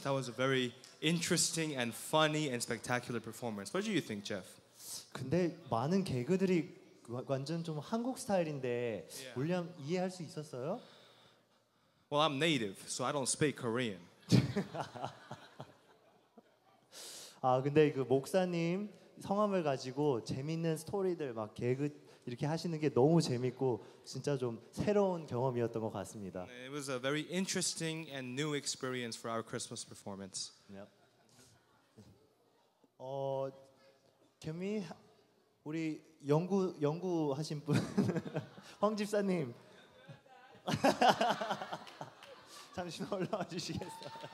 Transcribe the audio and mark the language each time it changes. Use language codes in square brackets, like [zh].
[en] That was a very interesting and funny and spectacular performance. What do you think, Jeff? [ko] 근데 많은 개그들이 완전 좀 한국 스타일인데 울리엄 이해할 수 있었어요? [en] Well, I'm native, so I don't speak Korean. [ko] 아, 근데 그 목사님 성함을 가지고 재밌는 스토리들 막 개그 이렇게 하시는 게 너무 재밌고 진짜 좀 새로운 경험이었던 것 같습니다. [en] It was a very interesting and new experience for our Christmas performance. Yep. [ko] 어, [en] can we [ko] 우리 연구 하신 분 황 집사님 잠시 올라와 주시겠어요?